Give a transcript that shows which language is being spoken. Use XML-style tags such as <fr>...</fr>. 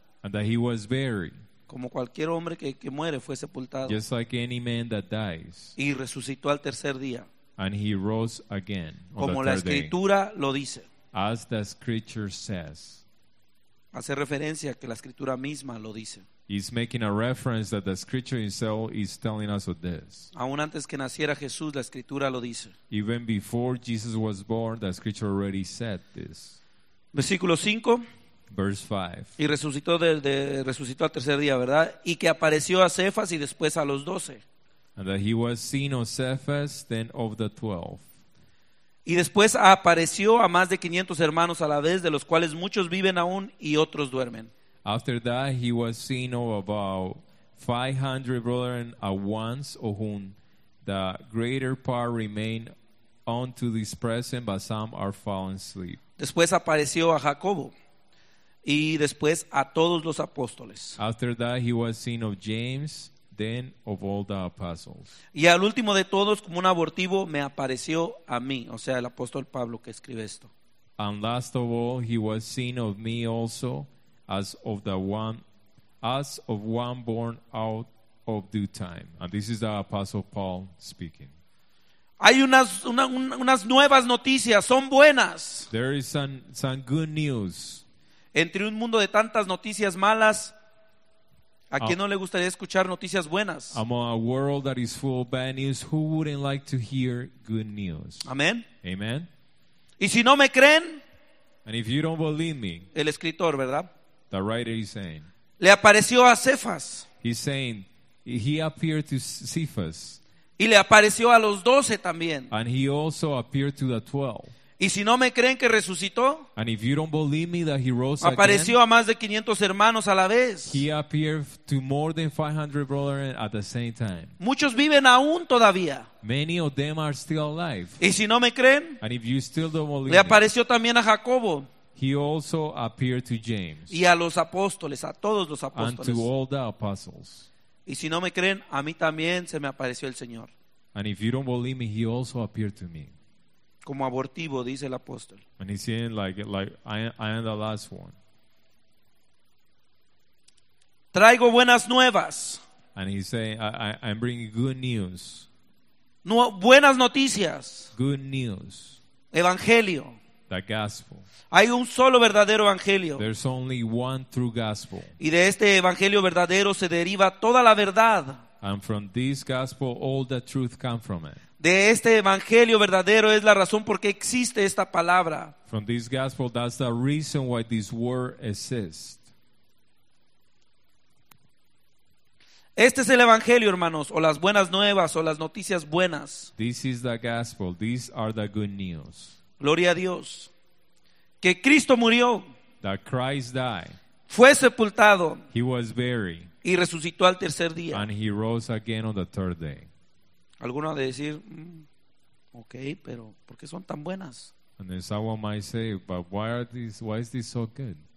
<en>And that he was buried.</en> <es>Como cualquier hombre que muere fue sepultado.</es> <en>Just like any man that dies.</en> <es>Y resucitó al tercer día.</es> <en>And he rose again.</en> <es>Como la escritura lo dice.</es> <en>As the scripture says.</en> <es>Hace referencia que la escritura misma lo dice.</es> <en>He's making a reference that the scripture itself is telling us of this.</en> <es>Aún antes que naciera Jesús, la escritura lo dice.</es> <en>Even before Jesus was born, the scripture already said this.</en> <es>Versículo 5.</es> <en>Verse</en> <es>5. Y resucitó al tercer día, ¿verdad? Y que apareció a Cefas y después a los 12.</es> <en>And that he was seen of Cephas, then of the 12.</en> <es>Y después apareció a más de 500 hermanos a la vez, de los cuales muchos viven aún y otros duermen.</es> <en>After that he was seen of about 500 brethren at once, of whom the greater part remain unto this present, but some are fallen asleep.</en> <es>Después apareció a Jacobo. Y después a todos los apóstoles.</es> <en>After that he was seen of James, then of all the apostles.</en> <es>Y al último de todos, como un abortivo, me apareció a mí. O sea, el apóstol Pablo que escribe esto.</es> <en>And last of all, he was seen of me also, as of one born out of due time. And this is the apostle Paul speaking.</en> <es>Hay unas nuevas noticias, son buenas.</es> <en>There is some good news.</en> <es>Entre un mundo de tantas noticias malas, ¿a quién no le gustaría escuchar noticias buenas?</es> <en>Among a world that is full of bad news, who wouldn't like to hear good news? Amen. Amen.</en> <es>Y si no me creen,</es> <en>and if you don't believe me,</en> <es>el escritor, ¿verdad?</es> <en>The writer is saying,</en> <es>le apareció a Cefas.</es> <en>He's saying, he appeared to Cephas.</en> <es>Y le apareció a los 12 también.</es> <en>And he also appeared to the 12.</en> <es>Y si no me creen que resucitó,</es> <en>and if you don't believe me that he rose</en> <es>apareció</es> <en>again,</en> <es>a más de 500 hermanos a la vez.</es> <en>He appeared to more than 500 brethren at the same time.</en> <es>Muchos viven aún todavía.</es> <en>Many of them are still alive.</en> <es>Y si no me creen,</es> <en>and if you still don't believe</en> <es>le apareció me, también a Jacobo.</es> <en>He also appeared to James.</en> <es>Y a los apóstoles, a todos los apóstoles.</es> <en>And to all the apostles.</en> <es>Y si no me creen, a mí también se me apareció el Señor.</es> <en>And if you don't believe me, he also appeared to me.</en> <es>Como abortivo, dice el apóstol.</es> <en>And he's saying like I am the last one.</en> <es>Traigo buenas nuevas.</es> <en>And he's saying I'm bringing good news.</en> <es>No, buenas noticias.</es> <en>Good news.</en> <es>Evangelio.</es> <en>The gospel.</en> <es>Hay un solo verdadero evangelio.</es> <en>There's only one true gospel.</en> <es>Y de este evangelio verdadero se deriva toda la verdad.</es> <en>And from this gospel, all the truth comes from it.</en> <es>De este evangelio verdadero es la razón por qué existe esta palabra.</es> <en>From this gospel, that's the reason why this word exists.</en> <es>Este es el evangelio, hermanos, o las buenas nuevas, o las noticias buenas.</es> <en>This is the gospel. These are the good news.</en> <es>Gloria a Dios. Que Cristo murió.</es> <en>That Christ died.</en> <es>Fue sepultado.</es> <en>He was buried.</en> <es>Y resucitó al tercer día.</es> <en>And he rose again on the third day.</en> <es>Alguno ha de decir, okay, pero ¿por qué son tan buenas?</es> <en>And then someone might say, but why is this so good?</en>